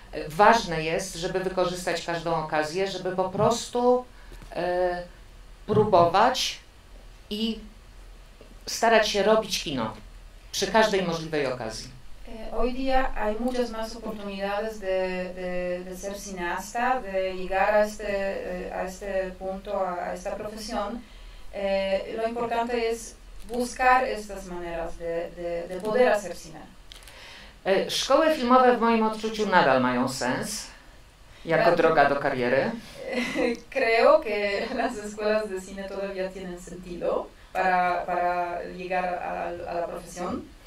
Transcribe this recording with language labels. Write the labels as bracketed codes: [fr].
[pl] Ważne jest, żeby wykorzystać każdą okazję, żeby po prostu próbować i starać się robić kino przy każdej możliwej okazji. [es] Hoy día hay muchas más oportunidades de ser cineasta, de llegar a este punto, a esta profesión. Lo importante es buscar estas maneras de poder hacer cine. [pl] Szkoły filmowe w moim odczuciu nadal mają sens jako droga do kariery. [es] Creo que las escuelas de cine todavía tienen sentido para llegar a la profesión.